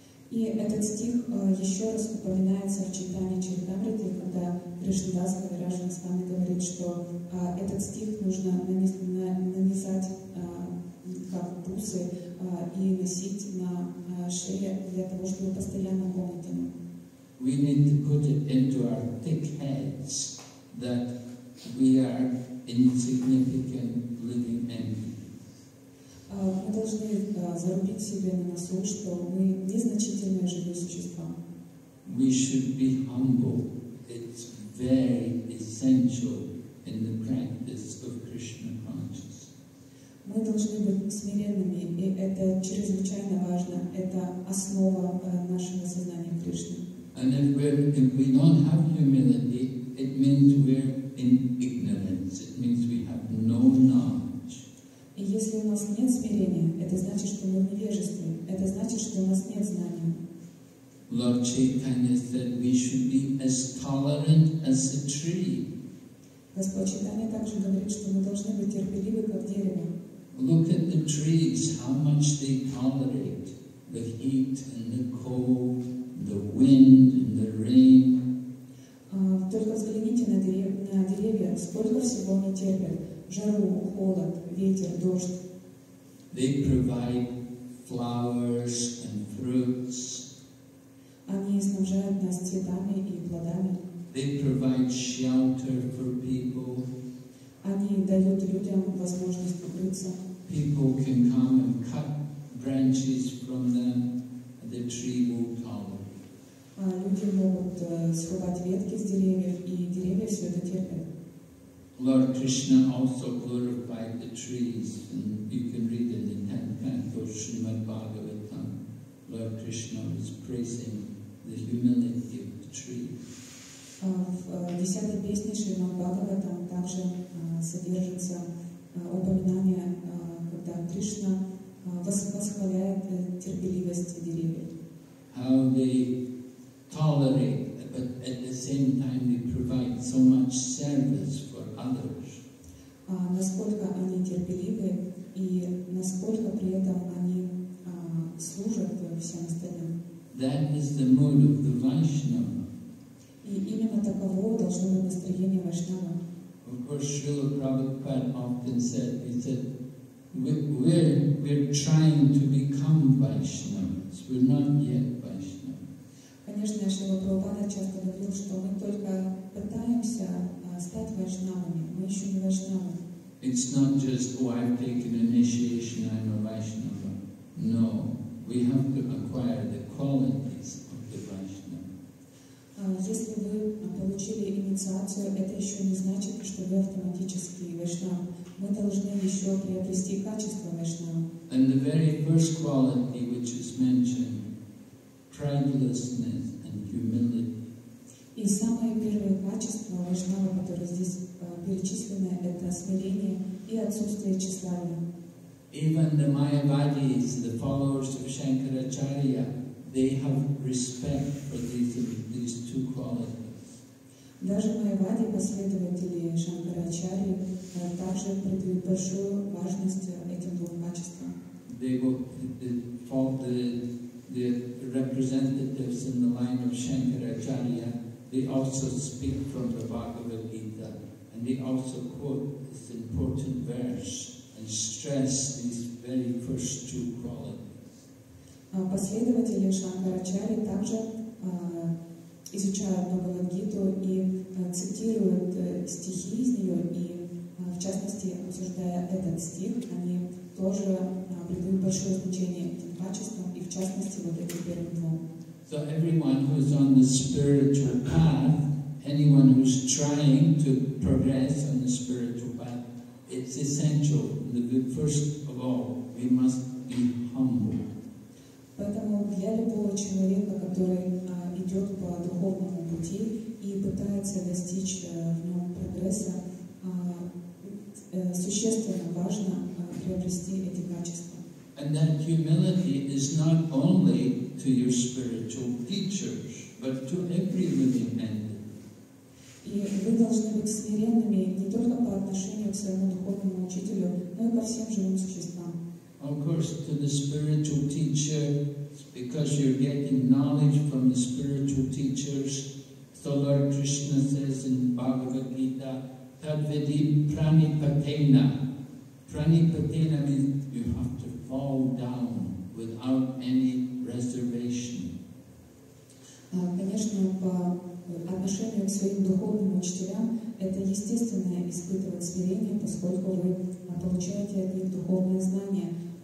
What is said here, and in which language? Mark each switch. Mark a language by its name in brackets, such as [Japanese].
[Russian] И этот стих еще раз упоминается в Чайтанье Чаритамрите, когда Кришна Дас Кавираж с нами говорит, что этот стих нужно нанизать как бусы и носить на шее для того, чтобы постоянно помнить ему. [English] We need to put it into our thick heads that we are insignificant living entities. [Russian] Мы должны зарубить себе на носу, что мы незначительные живые существа. [English] We should be humble. It's very essential in the practice of Krishna consciousness. [Russian] Мы должны быть смиренными, и это чрезвычайно важно. Это основа нашего сознания Кришны. [English] And if we don't have humility, it means we're in ignorance. It means we have no knowledge. [Russian] И если у нас нет смирения, это значит, что мы в невежестве. Это значит, что у нас нет знания. [English] Lord Chaitanya said we should be as tolerant as a tree. [Russian] Господь Чайтанья также говорит, что мы должны быть терпеливы, как дерево. [English] Look at the trees, how much they tolerate the heat and the cold, the wind and the rain. [Russian] Только взгляните на деревья, сколько всего они терпят. Жару, холод, ветер, дождь. [English] They provide flowers and fruits. [Russian] Они снабжают нас цветами и плодами. [English] They provide shelter for people. [Russian] Они дают людям возможность укрыться. [English] People can come and cut branches from them, and the tree will tolerate. [Russian] Люди могут срубать ветки с деревьев, и деревья все это терпят. [English] Lord Krishna also glorified the trees, and you can read it in 10th canto of Srimad Bhagavatam. Lord Krishna was praising the humility of the tree. [Russian] В 10th песне Srimad Bhagavatam также содержится упоминание, когда Кришна восхваляет терпеливость деревьев. [English] How they tolerate, but at the same time they provide so much service. [Russian] Насколько они терпеливы и насколько при этом они служат всем остальным. [English] That is the mood of the Vaishnava. [Russian] И именно таково должно быть настроение Вайшнава. [English] Of course, Srila Prabhupada often said, he said, we're trying to become Vaishnavas. We're not yet Vaishnavas. [Russian] Конечно, Шрила Прабхупада часто говорил, что мы только пытаемся стать вайшнавами, мы еще не вайшнавы. [English] It's not just, oh, I've taken initiation, I'm a Vaishnava. No, we have to acquire the qualities of the Vaishnava. [Russian] Если вы получили инициацию, это еще не значит, что вы автоматически Вайшнава. Мы должны еще приобрести качество Вайшнава. [English] And the very first quality which is mentioned, pridelessness and humility. [Russian] И самое первое качество Вайшнава, которое здесь перечислено, это смирение и отсутствие тщеславия. [English] Even the Mayavadis, the followers of Shankaracharya, they have respect for these two qualities. [Russian] Даже Майавади, последователи Шанкарачарьи, Ачарья придают большую важность этим двум качествам. [English] They were called the representatives in the line of Shankaracharya. They also speak from the Bhagavad Gita, and they also quote this important verse and stress these very first two qualities. [Russian] Последователи Шанкарачарьи также изучают Бхагавад Гиту и цитируют стихи из нее, и в частности, обсуждая этот стих, они тоже придают большое значение этим качествам, и в частности, вот этим первым двум. [English] So everyone who is on the spiritual path, anyone who is trying to progress on the spiritual path, it's essential. First of all, we must be humble. [Russian] Поэтому для любого человека, который идет по духовному пути и пытается достичь в нем прогресса, существенно важно приобрести эти качества. [English] And that humility is not only to your spiritual teachers, but to every living entity. [Russian] И вы должны быть смиренными не только по отношению к своему духовному учителю, но и ко всем живым существам. [English] Of course, to the spiritual teacher, because you're getting knowledge from the spiritual teachers. So Lord Krishna says in Bhagavad Gita, [Sanskrit] Tadvidi pranipatena. [English] Pranipatena means you have to fall down without any reservation. [Russian] Конечно, по отношению к своим духовным учителям, это естественно испытывать смирение, поскольку вы получаете от них духовное знание.